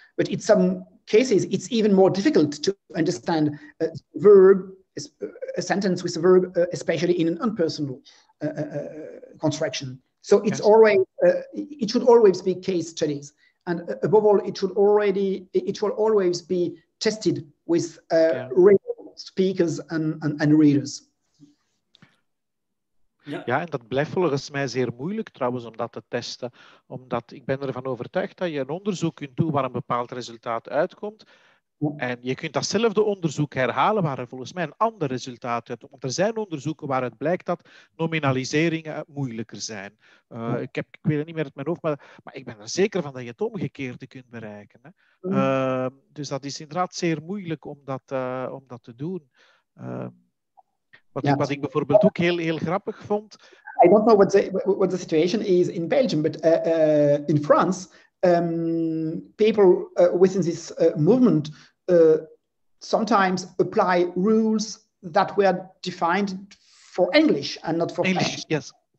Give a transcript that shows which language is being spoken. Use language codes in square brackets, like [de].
[en] But in some cases, it's even more difficult to understand a verb, a sentence with a verb, especially in an impersonal construction. So it's yes. Always, it should always be case studies. And above all, it should always be tested with real speakers and readers. [nl] Ja, en dat blijft volgens mij zeer moeilijk trouwens om dat te testen. Omdat ik ben ervan overtuigd dat je een onderzoek kunt doen waar een bepaald resultaat uitkomt. En je kunt datzelfde onderzoek herhalen waar er volgens mij een ander resultaat uitkomt. Want er zijn onderzoeken waaruit blijkt dat nominaliseringen moeilijker zijn. Ik weet het niet meer uit mijn hoofd, maar ik ben er zeker van dat je het omgekeerde kunt bereiken. Hè. Dus dat is inderdaad zeer moeilijk om dat te doen. Wat ik bijvoorbeeld ook heel, heel grappig vond. [en] I don't know what the situation is in Belgium, but in France, people within this movement sometimes apply rules that were defined for English and not for English, French. Yes.